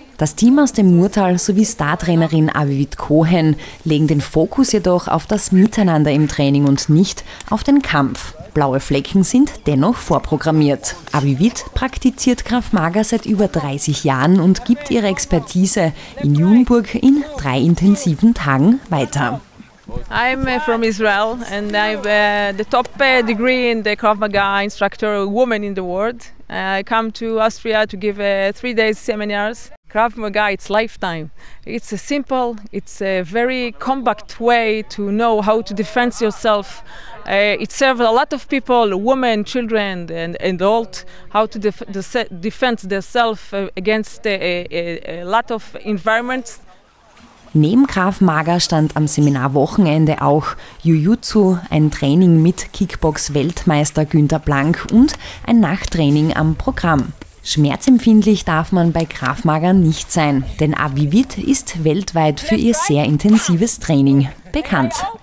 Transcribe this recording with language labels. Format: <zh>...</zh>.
<de>Das Team aus dem Murtal sowie Star-Trainerin Avivit Cohen legen den Fokus jedoch auf das Miteinander im Training und nicht auf den Kampf. Blaue Flecken sind dennoch vorprogrammiert. Avivit praktiziert Krav Maga seit über 30 Jahren und gibt ihre Expertise in Jungburg in 3 intensiven Tagen weiter.</de> <en>I'm from Israel and I'm the top degree in the Krav Maga instructor woman in the world. I come to Austria to give 3 days seminars. Krav Maga, it's lifetime. It's a simple, it's a very compact way to know how to defend yourself. It serves a lot of people, women, children and adults, how to defend themselves against a lot of environments.</en> <de>Neben Krav Maga stand am Seminarwochenende auch Jiu-Jitsu, ein Training mit Kickbox-Weltmeister Günter Blank und ein Nachttraining am Programm. Schmerzempfindlich darf man bei Krav Maga nicht sein, denn Avivit ist weltweit für ihr sehr intensives Training bekannt.</de>